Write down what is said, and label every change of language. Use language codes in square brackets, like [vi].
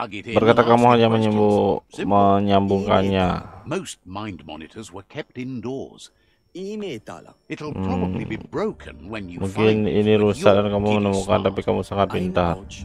[id] Berkata kamu hanya menyambungkannya. [en] Most mind monitors were kept indoors. It'll probably be broken when you [id] mungkin ini rusak dan kamu menemukan, tapi kamu sangat pintar.